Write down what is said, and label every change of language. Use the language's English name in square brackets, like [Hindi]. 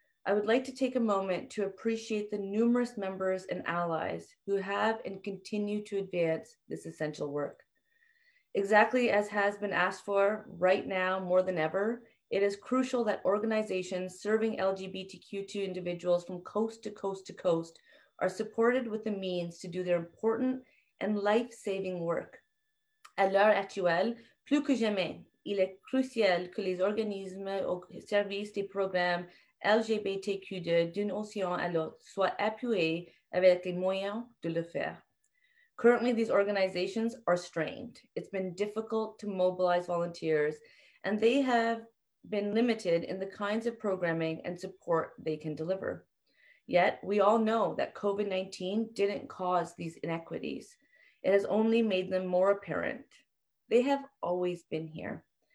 [English] I would like to take a moment to appreciate the numerous members and allies who have and continue to advance this essential work. Exactly as has been asked for right now more than ever, it is crucial that organizations serving LGBTQ2 individuals from coast to coast to coast are supported with the means to do their important and life-saving work. [French] À l'heure actuelle, plus que jamais, il est crucial que les organismes au service des programmes LGBTQ2 d'une océan à l'autre soient appuyés avec les moyens de le faire. [English] Currently, these organizations are strained. It's been difficult to mobilize volunteers, and they have been limited in the kinds of programming and support they can deliver. Yet, we all know that COVID-19 didn't cause these inequities. It has only made them more apparent. They have always been here.